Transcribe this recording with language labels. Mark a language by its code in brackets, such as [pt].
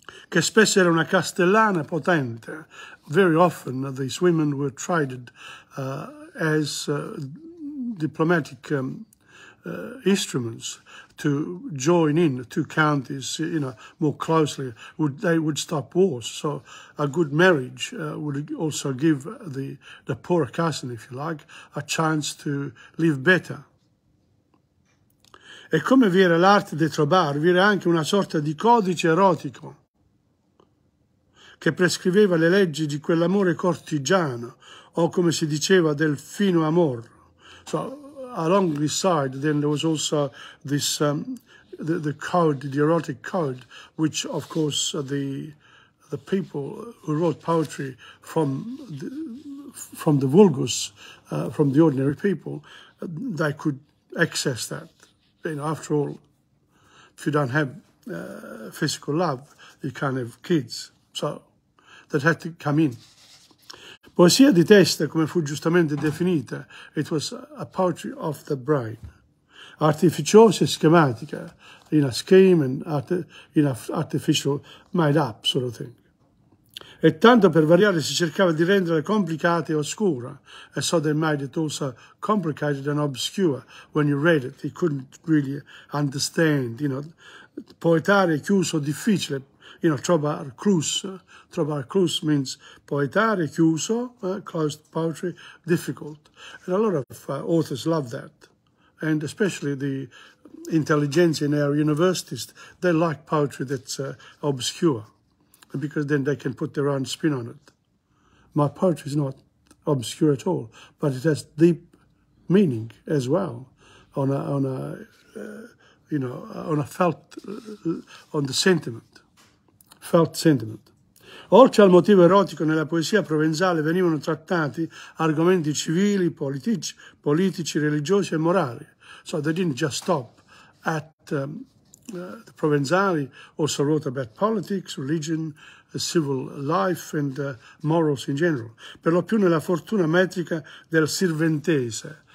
[it] Che spesso era una castellana potente. [en] Very often these women were traded as diplomatic instruments to join in two counties, you know, more closely. They would stop wars. So a good marriage would also give the poorer cousin, if you like, a chance to live better. [it] E come vi era l'arte di trovare, vi era anche una sorta di codice erotico che prescriveva le leggi di quell'amore cortigiano, o come si diceva, del fino amor. [en] So, along this side, then there was also this the code, the erotic code, which, of course, the people who wrote poetry from the vulgus, from the ordinary people, they could access that. You know, after all, if you don't have physical love, you can't have kids. So that had to come in. [it] Poesia di testa, come fu giustamente definita, [en] it was a poetry of the brain. [it] Artificiosa e schematica, [en] in a scheme and in a artificial made up sort of thing. [it] E tanto per variare si cercava di renderla complicata e oscura. [en] And so they made it also complicated and obscure when you read it. You couldn't really understand, you know. [it] Poetare chiuso, difficile. [en] You know, trovar clus means [it] poetare chiuso, [en] closed poetry, difficult. And a lot of authors love that. And especially the intelligentsia in our universities, they like poetry that's obscure, because then they can put their own spin on it. My poetry is not obscure at all, but it has deep meaning as well on the sentiment. Felt sentiment. [it] Oltre al motivo erotico, nella poesia provenzale venivano trattati argomenti civili, politici, religiosi e morali. [en] So they didn't just stop at the Provenzali also wrote about politics, religion, civil life and morals in general. [it] Per lo più nella fortuna metrica del Sirventese.